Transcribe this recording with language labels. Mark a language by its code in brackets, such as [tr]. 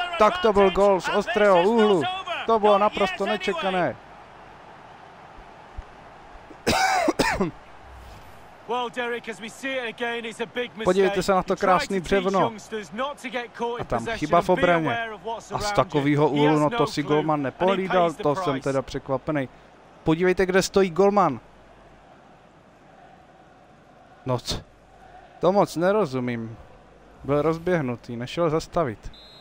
[cs] Tak to byl gol z ostrého úhlu. To bylo naprosto nečekané. [en] Well, Derek, as we see it again, it's a big mistake. [cs] Podívejte se na to krásný břevno. A tam chyba v obraně. A z takového úhlu, no to si golman nepohlídal, to jsem teda překvapený. Podívejte, kde stojí golman. No, to moc nerozumím. Byl rozběhnutý, nešel zastavit.